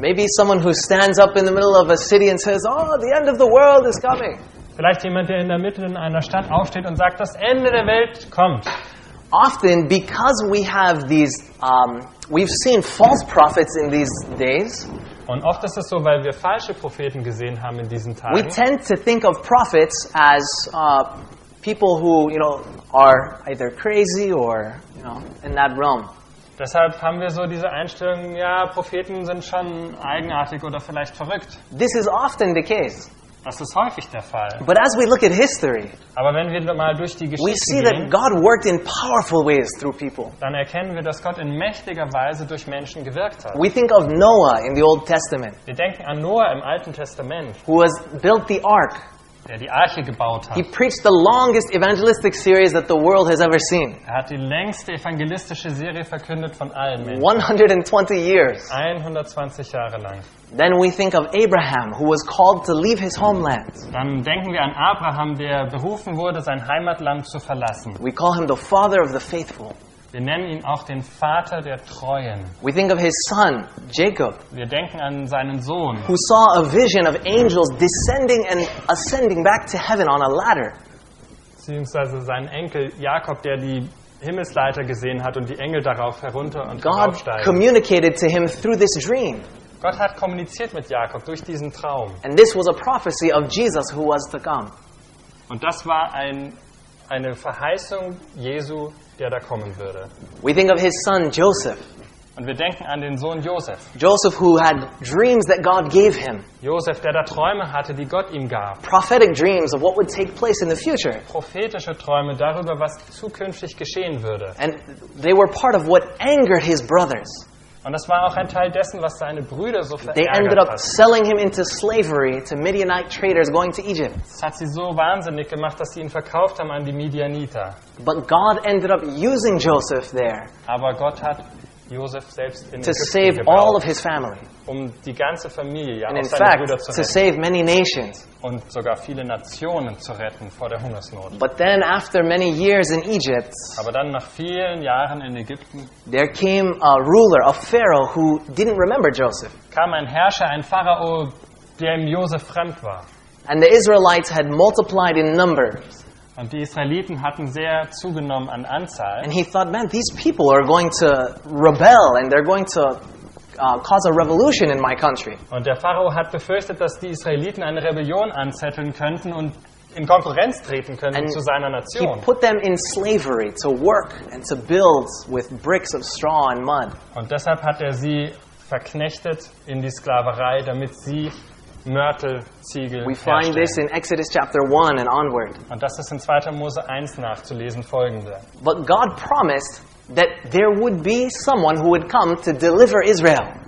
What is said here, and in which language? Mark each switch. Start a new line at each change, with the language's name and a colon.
English: Maybe someone who stands up in the middle of a city and says, oh, the end of the world is coming.
German: Vielleicht jemand, der in der Mitte in einer Stadt aufsteht und sagt, das Ende der Welt kommt.
English: Often, because we have these, we've seen false prophets in these days.
German: Und oft ist es so, weil wir falsche Propheten gesehen haben in diesen Tagen.
English: We tend to think of prophets as people who, you know, are either crazy or, you know, in that realm.
German: Deshalb haben wir so diese Einstellung, ja, Propheten sind schon eigenartig oder vielleicht verrückt.
English: This is often the case.
German: Das ist häufig der Fall.
English: But as we look at history,
German: aber wenn wir mal durch die Geschichte
English: we see
German: gehen,
English: that God worked in powerful ways through people.
German: Dann erkennen wir, dass Gott in mächtiger Weise durch Menschen gewirkt hat.
English: We think of Noah in the Old Testament.
German: Wir denken an Noah im Alten Testament.
English: Who has built the ark.
German: Der die Arche gebaut hat.
English: He preached the longest evangelistic series that the world has ever seen.
German: Er hat die längste evangelistische Serie verkündet von allen Menschen.
English: 120 years.
German: 120 Jahre lang.
English: Then we think of Abraham, who was called to leave his homeland.
German: Dann denken wir an Abraham, der berufen wurde, sein Heimatland zu verlassen.
English: We call him the father of the faithful.
German: Wir nennen ihn auch den Vater der Treuen.
English: We think of his son, Jacob.
German: Wir denken an seinen Sohn.
English: Who saw a vision of angels descending and ascending back to heaven on a ladder.
German: Beziehungsweise seinen Enkel Jakob, der die Himmelsleiter gesehen hat und die Engel darauf herunter und draufsteigen.
English: God communicated to him through this dream.
German: Gott hat kommuniziert mit Jakob durch diesen Traum.
English: And this was a prophecy of Jesus who was to come.
German: Und das war eine Verheißung Jesu, der da kommen würde.
English: We think of his son Joseph.
German: Und wir denken an den Sohn Joseph.
English: Joseph who had dreams that God gave him.
German: Joseph, der da Träume hatte, die Gott ihm gab.
English: Prophetic dreams of what would take place in the future.
German: Prophetische Träume darüber, was zukünftig geschehen würde.
English: And they were part of what angered his brothers.
German: Und das war auch ein Teil dessen, was seine Brüder so verärgert hat.
English: They ended up selling him into slavery to Midianite traders going to Egypt.
German: Das hat sie so wahnsinnig gemacht, dass sie ihn verkauft haben an die Midianiter.
English: But God ended up using Joseph there.
German: Aber Gott hat Joseph selbst in
English: to save
German: gebraucht,
English: all of his family.
German: Um die ganze Familie,
English: and
German: auch
English: in fact,
German: seine Brüder zu retten.
English: To save many nations.
German: Und sogar viele Nationen zu retten vor der Hungersnot.
English: But then after many years in Egypt,
German: aber dann nach vielen Jahren in Ägypten,
English: there came a ruler, a pharaoh who didn't remember Joseph.
German: Kam ein Herrscher, ein Pharao, der ihm Joseph fremd war.
English: And the Israelites had multiplied in numbers.
German: Und die Israeliten hatten sehr zugenommen an Anzahl.
English: And he thought, man, these people are going to rebel and they're going to cause a revolution in my country.
German: Und der Pharao hat befürchtet, dass die Israeliten eine Rebellion anzetteln könnten und in Konkurrenz treten könnten zu seiner Nation.
English: And he put them in slavery to work and to build with bricks of straw and mud.
German: Und deshalb hat er sie verknechtet in die Sklaverei, damit sie Mörtel, Ziegel.
English: We find this in Exodus chapter 1 and onward.
German: Und das ist in 2. Mose 1 nachzulesen folgende.
English: But God promised that there would be someone who would come to deliver Israel.